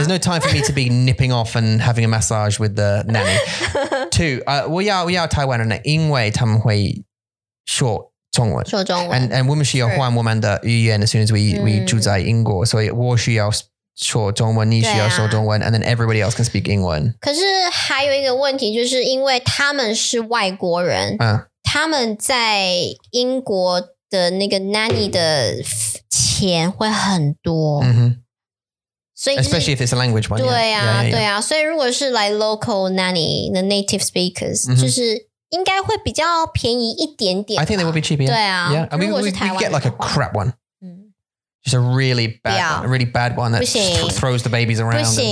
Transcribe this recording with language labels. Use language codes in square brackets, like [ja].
[en] There's no time for me to be nipping off and having a massage with the nanny. Two. [zh] 我要台湾人，因为他们会说。中文，说中文，and 我们需要换我们的语言 [en] as soon as we [zh] 住在英国，所以我需要说中文，你需要说中文， [en] and then everybody else can speak [zh] 英文。可是还有一个问题，就是因为他们是外国人，他们在英国的那个 nanny 的钱会很多，所以就是， [en] especially if it's a language one. [zh] 对啊，所以如果是 like [en] local nanny, the native speakers, [zh] 就是。应该会比较便宜一点点吧? [en] I think they will be cheaper. Yeah. I mean, we get like a crap one. Just a really bad one. A really bad one that throws the babies around.